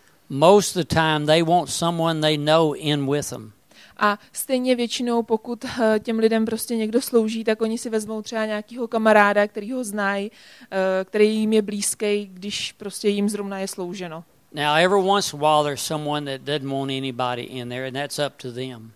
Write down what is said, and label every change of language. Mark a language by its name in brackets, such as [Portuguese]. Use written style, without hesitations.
[English] Most of the time they want someone they know in with them. [Czech] A stejně většinou, pokud těm lidem prostě někdo slouží, tak oni si vezmou třeba nějakého kamaráda, který ho znají, který jim je blízký, když prostě jim zrovna je slouženo. [English] Now every once in a while there's someone that doesn't want anybody in there, and that's up to them.